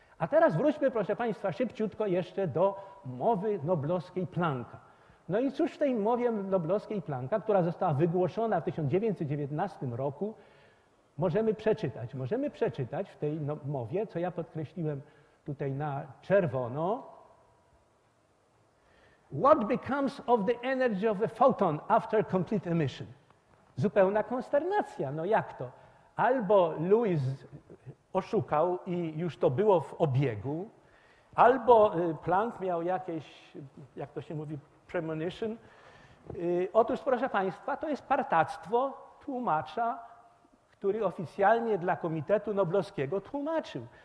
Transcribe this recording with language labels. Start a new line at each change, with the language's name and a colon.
Polish: A teraz wróćmy, proszę Państwa, szybciutko jeszcze do mowy noblowskiej Plancka. No i cóż w tej mowie noblowskiej Plancka, która została wygłoszona w 1919 roku, możemy przeczytać. Możemy przeczytać w tej mowie, co ja podkreśliłem tutaj na czerwono.
English: What becomes of the energy of a photon after complete emission?
Polish: Zupełna konsternacja, no jak to? Albo Lewis oszukał i już to było w obiegu, albo Planck miał jakieś, jak to się mówi, premonition. Otóż, proszę Państwa, to jest partactwo tłumacza, który oficjalnie dla Komitetu Noblowskiego tłumaczył.